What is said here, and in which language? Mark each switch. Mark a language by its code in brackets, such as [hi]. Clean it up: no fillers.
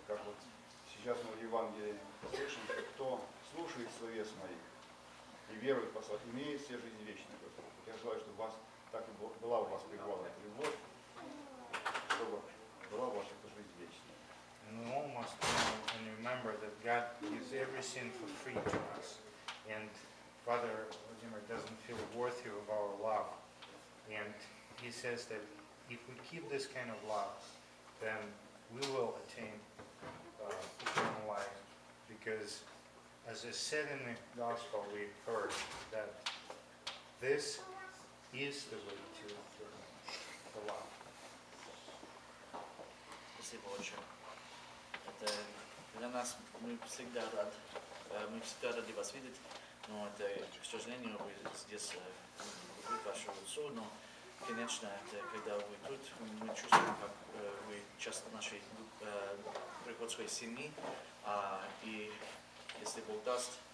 [ru] Как вот сейчас мы в Евангелии слышим, что кто слушает словес моих и верует в послание, имеет все жизнь вечную. Я желаю, чтобы у вас так и была у вас пребывала эта любовь, чтобы была у вас эта жизнь вечная. [en] And we all must know and remember that God gives every sin for free to us. And Father Vladimir doesn't feel worthy of our love. And he says that if we keep this kind of love, then we will attain eternal life. Because as I said in the gospel, we heard that this is the way to the love. [ru] Это для нас, мы всегда рады вас видеть, но это, к сожалению, вы здесь, вы ваше лицо, но, конечно, это, когда вы тут, мы чувствуем, как вы часть нашей приходской семьи, и если Бог даст,